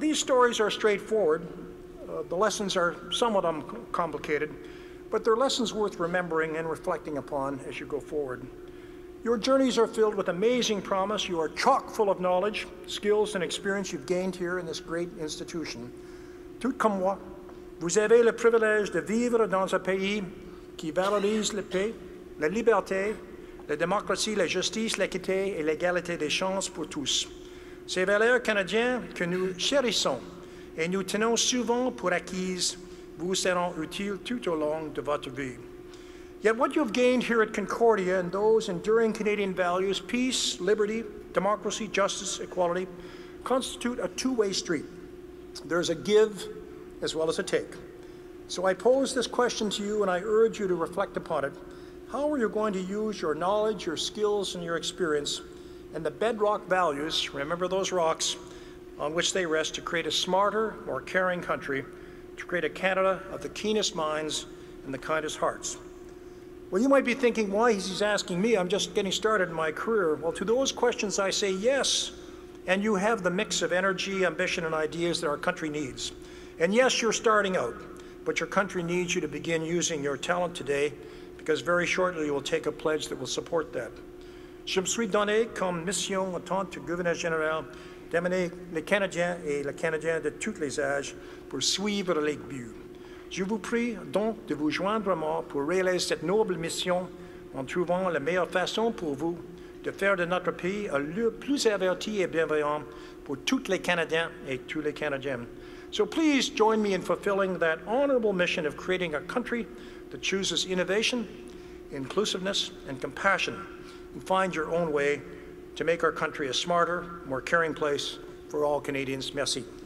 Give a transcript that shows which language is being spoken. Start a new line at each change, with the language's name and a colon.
English: These stories are straightforward. The lessons are somewhat complicated, but they're lessons worth remembering and reflecting upon as you go forward. Your journeys are filled with amazing promise. You are chock full of knowledge, skills, and experience you've gained here in this great institution.
French: Tout comme moi, vous avez le privilège de vivre dans un pays qui valorise la paix, la liberté, la démocratie, la justice, l'équité et l'égalité des chances pour tous. Ces valeurs canadiennes que nous chérissons et nous tenons souvent pour acquises vous seront utiles tout au long de votre vie.
English: Yet what you've gained here at Concordia and those enduring Canadian values, peace, liberty, democracy, justice, equality, constitute a two-way street. There's a give as well as a take. So I pose this question to you and I urge you to reflect upon it. How are you going to use your knowledge, your skills, and your experience and the bedrock values, remember those rocks, on which they rest to create a smarter, more caring country, to create a Canada of the keenest minds and the kindest hearts? Well, you might be thinking, why is he asking me? I'm just getting started in my career. Well, to those questions, I say yes, and you have the mix of energy, ambition, and ideas that our country needs. And yes, you're starting out, but your country needs you to begin using your talent today, because very shortly you will take a pledge that will support that.
French: Je me suis donné comme mission en tant que gouverneur général d'amener les Canadiens et les Canadiens de tous les âges pour suivre les buts. Je vous prie donc de vous joindre à moi pour réaliser cette noble mission en trouvant la meilleure façon pour vous de faire de notre pays un lieu plus averti et bienveillant pour tous les Canadiens et tous les Canadiennes.
English: So please join me in fulfilling that honorable mission of creating a country that chooses innovation, inclusiveness, and compassion, and find your own way to make our country a smarter, more caring place for all Canadians.
French: Merci.